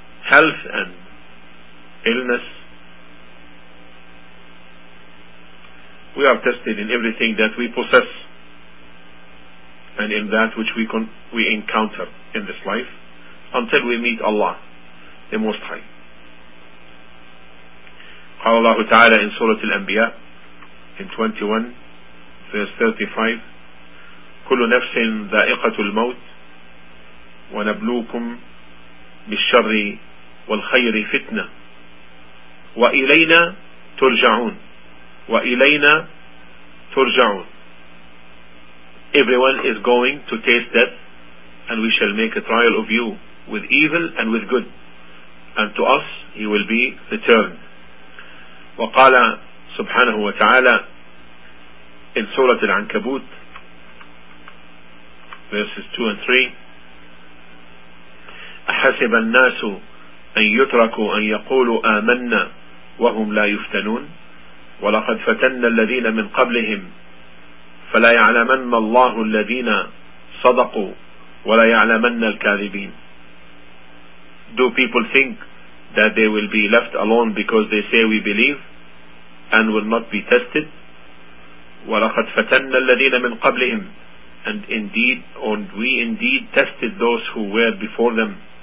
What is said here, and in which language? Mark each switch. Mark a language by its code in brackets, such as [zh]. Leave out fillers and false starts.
[en] Health and illness. We are tested in everything that we possess and in that which we encounter in this life, until we meet Allah, the Most High. [ar] قال الله تعالى [en] in Surah Al-Anbiya, in 21, verse 35, [ar] كل نفس ذائقة الموت ونبلوكم بالشر والخير فتنة وإلينا ترجعون وإلينا ترجعون. [en] Everyone is going to taste death, and we shall make a trial of you with evil and with good, and to us he will be returned. [ar] وقال سبحانه وتعالى [en] in Surah Al-Ankabut, verses 2 and 3, [ar] أحسب الناس أن يتركوا أن يقولوا آمنا وهم لا يفتنون ولقد فتنا الذين من قبلهم فلا يعلمن الله الذين صدقوا ولا يعلمن الكاذبين. [en] Do people think that they will be left alone because they say we believe and will not be tested? [ar] ولقد فتنا الذين من قبلهم, [en] and indeed, or we indeed tested those who were before them.